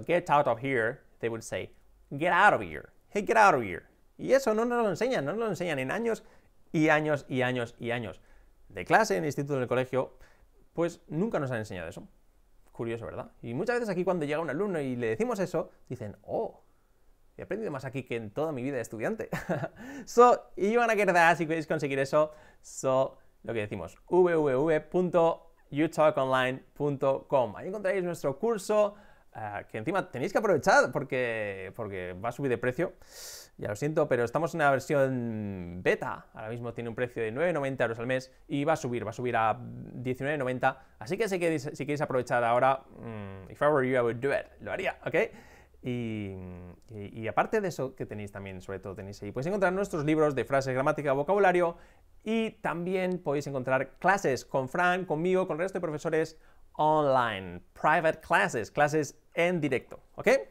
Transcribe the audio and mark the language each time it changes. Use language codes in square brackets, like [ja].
[en] Get out of here, they would say, get out of here. Hey, get out of here. [es] Y eso no nos lo enseñan, no nos lo enseñan en años y años y años y años. De clase, en el instituto, en el colegio, pues nunca nos han enseñado eso. Curioso, ¿verdad? Y muchas veces aquí cuando llega un alumno y le decimos eso, dicen, oh, he aprendido más aquí que en toda mi vida de estudiante. [en] So, you wanna get that, [es] si queréis conseguir eso. So, lo que decimos, www.utalkonline.com. Ahí encontraréis nuestro curso, que encima tenéis que aprovechar porque va a subir de precio. Ya lo siento, pero estamos en una versión beta. Ahora mismo tiene un precio de 9,90 euros al mes y va a subir a 19,90. Así que si queréis aprovechar ahora, [en] if I were you, I would do it. [es] Lo haría, ¿ok? Y aparte de eso que tenéis también, sobre todo tenéis ahí, podéis encontrar nuestros libros de frases, gramática, vocabulario y también podéis encontrar clases con Fran, conmigo, con el resto de profesores online, [en] private classes, [es] clases en directo, ¿ok?